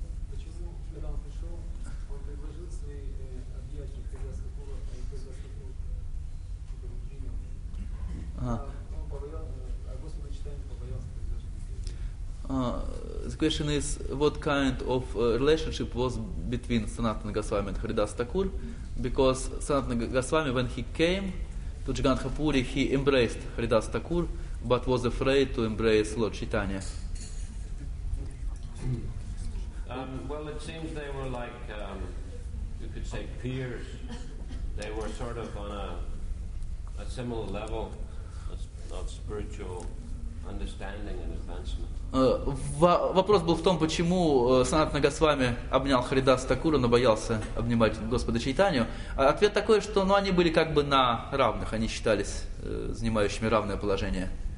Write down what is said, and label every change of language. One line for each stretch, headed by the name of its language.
Russian: Почему, когда он пришел, он предложил свои объятия Харидас Такуру, а не Харидас Такуру принял? А Господа Чайтанья побоялся предложить.
English: The question is, what kind of relationship was between Sanatana Goswami and Haridas Thakur? Because Sanatana Goswami, when he came to Jagannathapuri, he embraced Haridas Thakur, but was afraid to embrace Lord Chaitanya. Well, it seems they were like, you could say, peers. They were sort of on a similar level of spiritual understanding and advancement.
Russian: Вопрос был в том, почему Санатана Госвами обнял Харидаса Такуру, но боялся обнимать Господа Чайтанью. Ответ такой, что ну, они были как бы на равных, они считались занимающими равное положение.